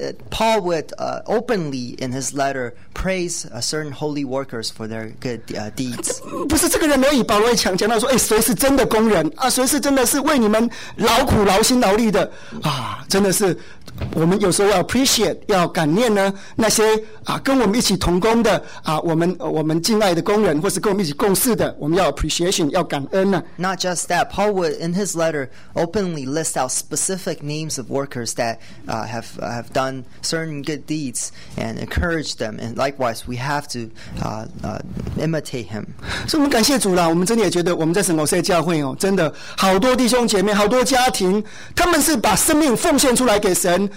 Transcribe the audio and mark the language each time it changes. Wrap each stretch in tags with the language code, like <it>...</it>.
<en>Paul would openly in his letter praise a certain holy workers for their good deeds.</en> <zh>不是这个人而已，保罗强调说，哎，谁是真的工人啊？谁是真的是为你们劳苦劳心劳力的啊？真的是，我们有时候要 appreciate，要感念呢那些啊跟我们一起同工的啊，我们敬爱的工人，或是跟我们一起共事的，我们要 appreciation，要感恩呢。</zh> <en>Not just that, Paul would in his letter openly list out specific names of workers that. Have done certain good deeds and encouraged them, and likewise we have to imitate him. So we thank the Lord. We really feel that we in the Saint Osei Church, oh, really, many brothers and sisters, many families, they are giving their lives to God, this way to serve God's kingdom.</en>